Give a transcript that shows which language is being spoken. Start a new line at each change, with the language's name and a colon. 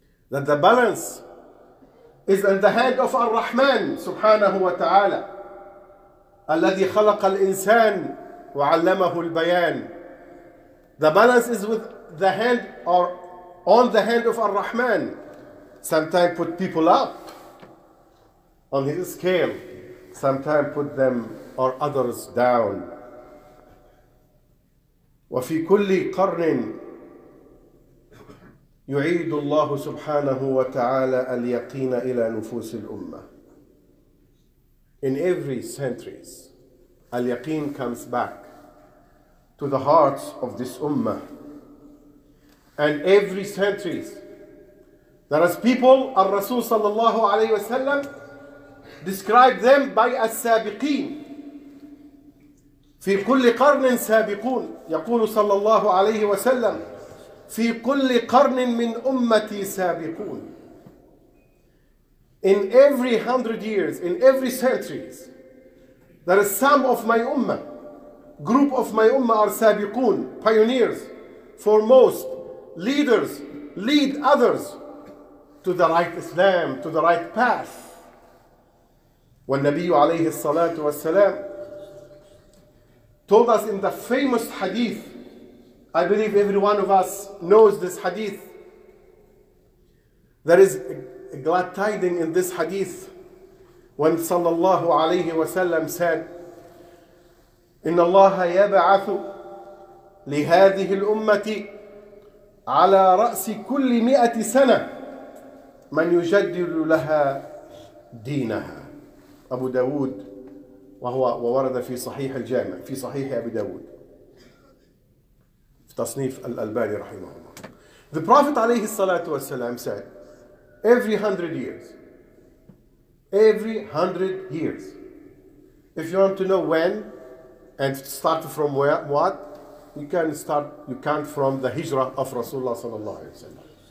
English: that the balance is in the hand of الرحمن سبحانه وتعالى
Arabic: الذي خلق الإنسان وعلمه البيان
English: the balance is with the hand or on the hand of الرحمن sometimes put people up On his scale, sometimes put them or others down.
Arabic: وفي كل قرن يعيد الله سبحانه وتعالى اليقين إلى نفوس الأمة.
English: In every centuries, اليقين comes back to the hearts of this ummah. And every centuries, there is people,
Arabic: الرسول صلى الله عليه وسلم
English: Describe them by
Arabic: السابقين في كل قرن سابقون يقول صلى الله عليه وسلم في كل قرن من أمتي سابقون
English: In every hundred years, in every centuries there is some of my ummah group of my ummah are سابقون pioneers, foremost leaders, lead others to the right Islam, to the right path
Arabic: والنبي عليه الصلاة والسلام
English: told us in the famous hadith I believe every one of us knows this hadith there is glad tidings in this hadith when sallallahu alayhi wa sallam said,
Arabic: إن الله يبعث لهذه الأمة على رأس كل 100 سنة من يجدل لها دينها. أبو داود وهو وورد في صحيح الجامع في صحيح أبي داود في تصنيف الألباني رحمه الله.
English: The Prophet عليه الصلاة والسلام said, every hundred years, if you want to know when and start from where, what? You count from the hijrah of Rasulullah sallallahu alayhi wa sallam.